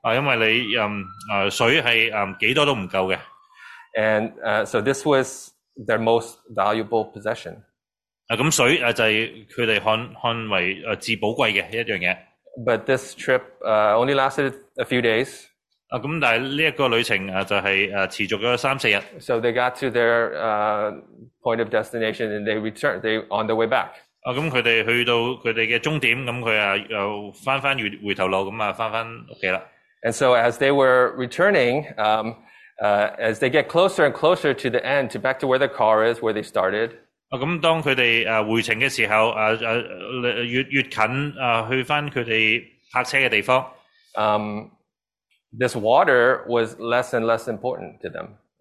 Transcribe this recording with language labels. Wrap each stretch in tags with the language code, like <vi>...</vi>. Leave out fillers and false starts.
<zh>因为水是多少都不够的。</zh> <en>And so this was their most valuable possession.</en> <zh>水就是他們看為至寶貴的一件事。</zh> <en>But this trip only lasted a few days.</en> <zh>但這個旅程就是持續了三四日。</zh> <en>So they got to their point of destination and they returned, on the way back.</en> <zh>他們去到他們的終點,他們回頭路,回家了。</zh> <en>And so as they were returning, as they get closer and closer to the end, to back to where the car is, where they started,</en> <zh>當他們回程的時候,越近去回他們泊車的地方,</zh> <en>this water was less and less important to them.</en>